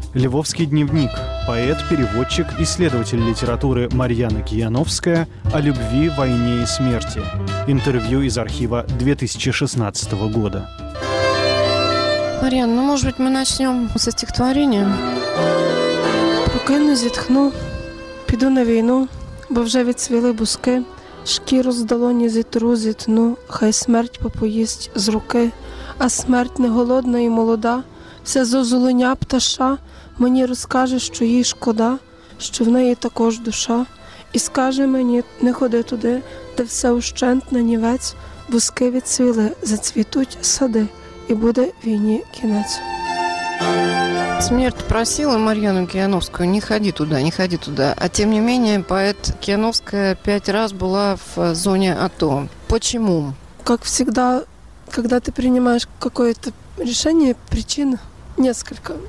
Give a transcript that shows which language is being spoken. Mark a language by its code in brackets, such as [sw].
[ru] Львовский дневник. Поэт, переводчик, исследователь литературы Марьяна Кияновская о любви, войне и смерти. Интервью из архива 2016 года. Марьяна, ну, может быть, мы начнем со стихотворения? [uk] «Прокину зітхну, піду на війну, бо вже відцвіли буски». Шкіру з долоні зітру зітну, хай смерть попоїсть з руки. А смерть не голодна і молода, все зозуленя пташа, мені розкаже, що їй шкода, що в неї також душа. І скаже мені, не ходи туди, де все ущент на нівець, вузки відцвіли, зацвітуть сади, і буде війні кінець. [ru] Смерть просила Марьяну Кияновскую, не ходи туда, не ходи туда. А тем не менее, поэт Кияновская 5 раз была в зоне АТО. Почему? Как всегда, когда ты принимаешь какое-то решение, причин несколько.